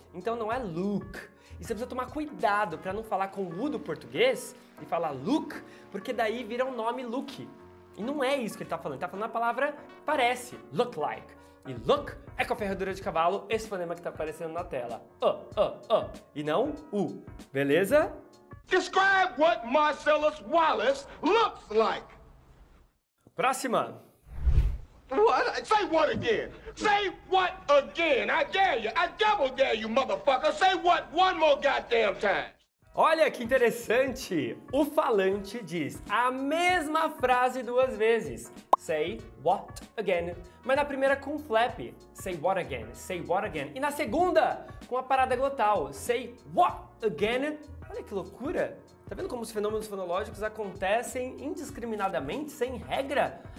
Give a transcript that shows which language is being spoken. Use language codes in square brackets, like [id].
[pt] Então não é look. E você precisa tomar cuidado para não falar com o u do português e falar look, porque daí vira um nome look. E não é isso que ele tá falando. Ele tá falando a palavra parece, [en] look like. [pt] E look é com a ferradura de cavalo, esse fonema que tá aparecendo na tela. E não u. Beleza? [en] Describe what Marcellus Wallace looks like. [pt] Próxima. [en] What? Say what again? Say what again? I dare you. I double dare you, motherfucker. Say what one more goddamn time. [pt] Olha que interessante. O falante diz a mesma frase duas vezes. [en] Say what again. [pt] Mas na primeira com flap. [en] Say what again. Say what again. [pt] E na segunda com a parada glotal. [en] Say what again. [pt] Olha que loucura! Tá vendo como os fenômenos fonológicos acontecem indiscriminadamente, sem regra?